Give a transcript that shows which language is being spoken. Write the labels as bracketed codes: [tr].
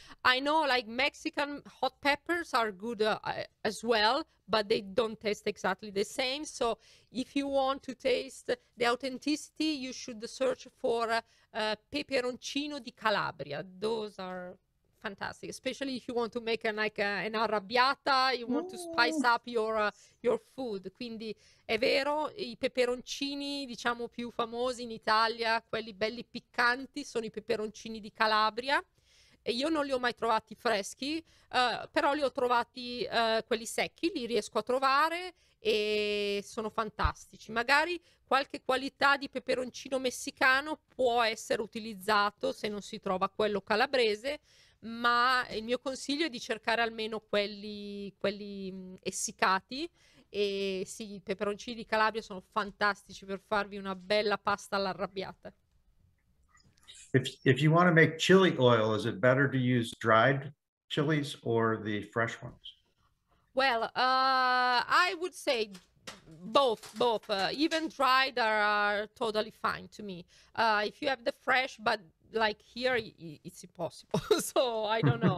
[en] I know Mexican hot peppers are good as well, but they don't taste exactly the same. So if you want to taste the authenticity, you should search for peperoncino di Calabria. Those are fantastic, especially if you want to make an arrabbiata, you want to spice up your food. [it] Quindi è vero, I peperoncini diciamo più famosi in Italia, quelli belli piccanti, sono I peperoncini di Calabria. E io non li ho mai trovati freschi, però li ho trovati quelli secchi, li riesco a trovare e sono fantastici. Magari qualche qualità di peperoncino messicano può essere utilizzato se non si trova quello calabrese, ma il mio consiglio è di cercare almeno quelli essiccati. E sì, I peperoncini di Calabria sono fantastici per farvi una bella pasta all'arrabbiata. [en] If you want to make chili oil, is it better to use dried chilies or the fresh ones? Well, I would say both. Even dried are totally fine to me. If you have the fresh, but here it's impossible. So I don't know.